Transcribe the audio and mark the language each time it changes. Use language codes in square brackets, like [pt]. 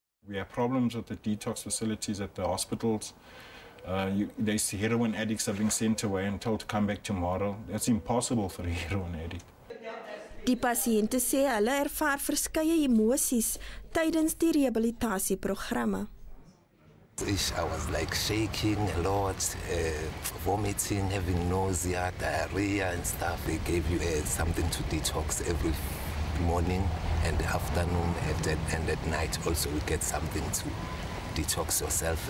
[en] We have problems with the detox facilities at the hospitals. They see heroin addicts are being sent away and told to come back tomorrow. That's impossible for a heroin addict. [af] Die pasiënte sê hulle ervaar verskeie emosies tydens die rehabilitasieprogramme. [en] I was like shaking a lot, vomiting, having nausea, diarrhea and stuff. They gave you something to detox every morning and afternoon and at night also you get something to detox yourself.